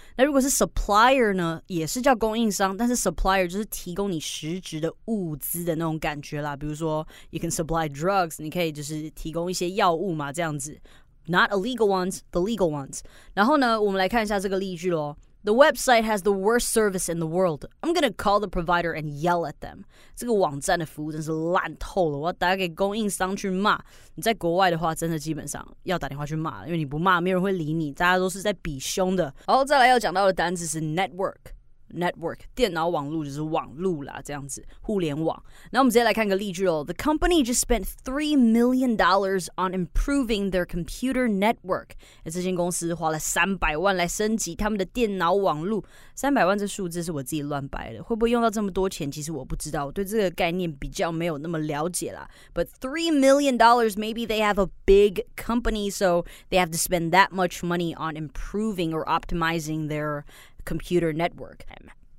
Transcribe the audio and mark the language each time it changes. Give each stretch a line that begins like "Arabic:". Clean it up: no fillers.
Chinese: 那如果是 supplier 呢，也是叫供应商，但是 supplier 就是提供你实质的物资的那种感觉啦，比如说
English: you can supply drugs，
Chinese: 你可以就是提供一些药物嘛，这样子。
English: Not illegal ones, the legal ones.
Chinese: 然后呢，我们来看一下这个例句咯。
English: The website has the worst service in the world. I'm gonna call the provider and yell at them.
Chinese: 这个网站的服务真是烂透了，我要打给供应商去骂。你在国外的话，真的基本上要打电话去骂，因为你不骂，没人会理你，大家都是在比凶的。好，再来要讲到的单字是 network。Network 电脑网路就是网路啦，这样子互联网。那我们直接来看个例句哦。
English: The company just spent $3 million on improving their computer network。
Chinese: 这间公司花了300万来升级他们的电脑网路。 300万这数字是我自己乱掰的，会不会用到这么多钱？其实我不知道，我对这个概念比较没有那么了解啦。
English: But $3 million, maybe they have a big company, so they have to spend that much money on improving or optimizing their computer network.